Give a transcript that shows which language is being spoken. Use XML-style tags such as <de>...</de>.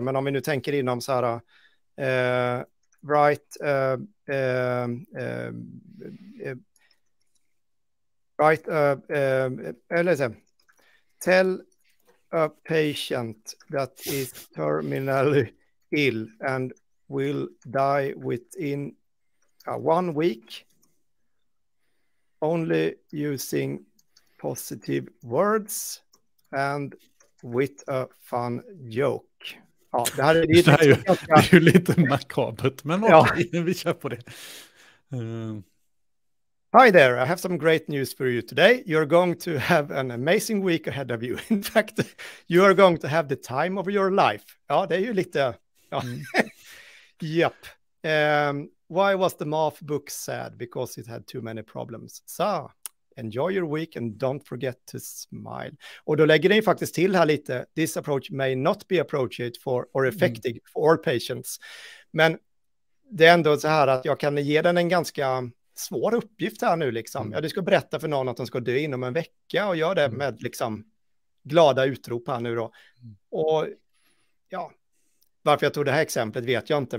<sv>Men om vi nu tänker inom så här,</sv> <en>tell a patient that is terminally ill and will die within 1 week only using positive words and with a fun joke.</en> <sv>Ja, det här är ju lite makabert, men vi kör på det.</sv> <en>Hi there, I have some great news for you today. You're going to have an amazing week ahead of you. In fact, you are going to have the time of your life.</en> <sv>Ja, det är ju lite...</sv> <en>Yep. Why was the math book sad? Because it had too many problems. So, enjoy your week and don't forget to smile.</en> <sv>Och då lägger den faktiskt till här lite.</sv> <en>This approach may not be appropriate for or effective for all patients.</en> <sv>Men det är ändå så här att jag kan ge den en ganska svår uppgift här nu liksom. Ja, du ska berätta för någon att de ska dö inom en vecka och gör det med liksom glada utrop här nu då. Och ja, varför jag tog det här exemplet vet jag inte.</sv>